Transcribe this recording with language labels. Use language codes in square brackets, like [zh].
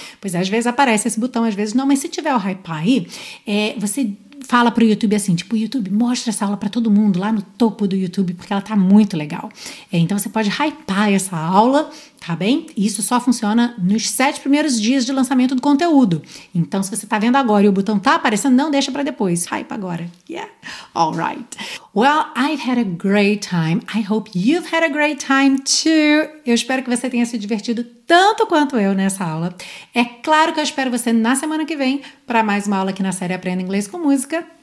[pt] Pois é, às vezes aparece esse botão, às vezes não, mas se tiver o hypar aí, você fala pro YouTube assim, tipo, YouTube, mostra essa aula pra todo mundo lá no topo do YouTube, porque ela tá muito legal. Então você pode hypar essa aula, tá bem? Isso só funciona nos 7 primeiros dias de lançamento do conteúdo. Então se você tá vendo agora e o botão tá aparecendo, não deixa pra depois. [en] Hype agora. Yeah. All right. Well, I've had a great time. I hope you've had a great time too. [pt] Eu espero que você tenha se divertido tanto quanto eu nessa aula. É claro que eu espero você na semana que vem para mais uma aula aqui na série Aprenda Inglês com Música.